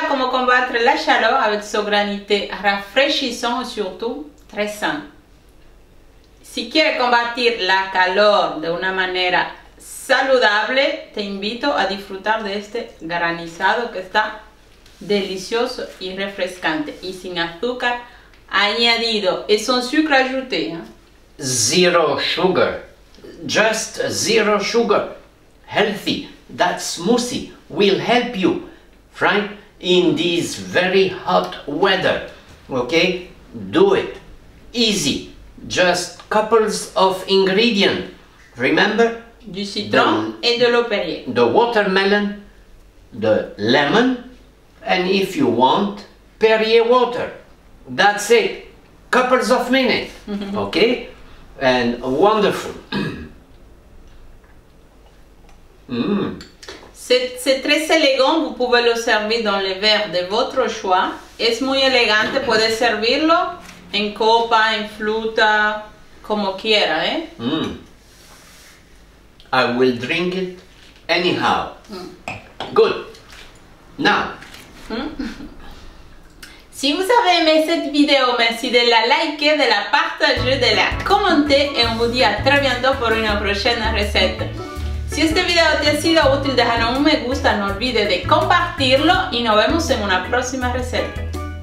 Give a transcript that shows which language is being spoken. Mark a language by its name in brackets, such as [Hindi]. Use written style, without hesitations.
[French] combattre la chaleur avec ce granité rafraîchissant et surtout très sain. Si tu veux combattre la chaleur [Spanish] de una manera saludable, te invito a disfrutar de este granizado que está delicioso y refrescante y sin azúcar añadido. Es un sucre ajouté. ¿Eh? [English] Zero sugar. Just zero sugar. Healthy. That smoothie will help you, Frank, in this very hot weather. Okay? Do it. Easy. Just couples of ingredients. Remember? Du citron et de l'eau Perrier. The watermelon, the lemon, and if you want, Perrier water. That's it. Couples of minutes. Okay? And wonderful. [French] C'est très élégant. Vous pouvez le servir dans les verres de votre choix. [Spanish] Es muy elegante. Puedes servirlo en copa, en fluta, como quiera, ¿eh? [English] Mm. I will drink it anyhow. Good. Now. [French] Si vous avez aimé cette vidéo, merci de la liker, de la partager, de la commenter et on vous dit à très bientôt pour une prochaine recette. [Spanish] Si este video te ha sido útil, déjanos un me gusta, no olvides de compartirlo y nos vemos en una próxima receta.